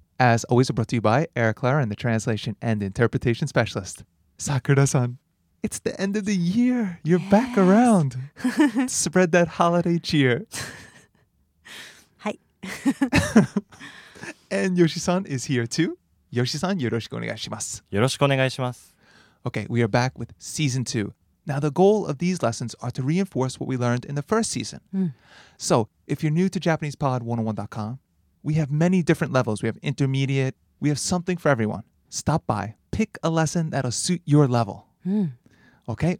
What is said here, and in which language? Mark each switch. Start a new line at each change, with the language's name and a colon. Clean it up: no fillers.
English: As always, brought to you by Eric Clara and the Translation and Interpretation Specialist. Sakura-san, it's the end of the year. You're yes. back around. Spread that holiday cheer. Hi. And Yoshi-san is here too.
Japanese: Yoshi-san, よろしくお願いします. よろしくお願いします.
English: Okay, we are back with Season 2. Now, the goal of these lessons are to reinforce what we learned in the first season. So, if you're new to JapanesePod101.com, we have many different levels. We have intermediate. We have something for everyone. Stop by. Pick a lesson that'll suit your level. Okay?